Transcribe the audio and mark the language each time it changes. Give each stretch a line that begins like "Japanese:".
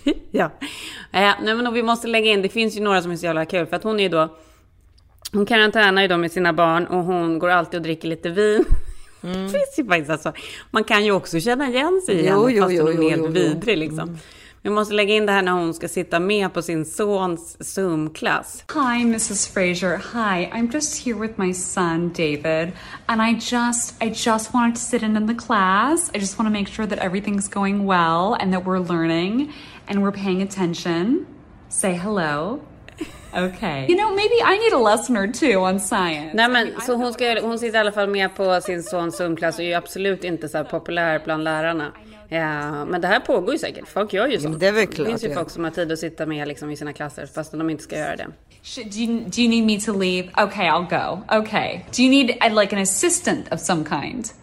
Swedish: Ja. Nej, men vi måste lägga in, det finns ju några som är så jävla kul, för att hon är ju då hon karantänar ju då med sina barn och hon går alltid och dricker lite vin. Mm. Det finns ju faktiskt, alltså, man kan ju också känna igen sig i henne, fast hon är helt vidrig liksom. Vi måste lägga in det här när hon ska sitta med på sin sons Zoom-klass.
English: Hi, Mrs. Fraser. Hi, I'm just here with my son, David. And I just wanted to sit in the class. I just want to make sure that everything's going well and that we're learning and we're paying attention. Say hello. Okay. You know, maybe I need a listener too on science.
Swedish: Nej, men så hon sitter i alla fall med på sin sons Zoom-klass och är ju absolut inte så här populär bland lärarna. Ja, men det här pågår ju säkert. Folk gör ju så. Det är väl klart. Det finns ju folk som har tid att sitta med liksom i sina klasser fast de inte ska göra det.
English: Do you need me to leave? Okay, I'll go. Okay. Do you need like an assistant of some kind?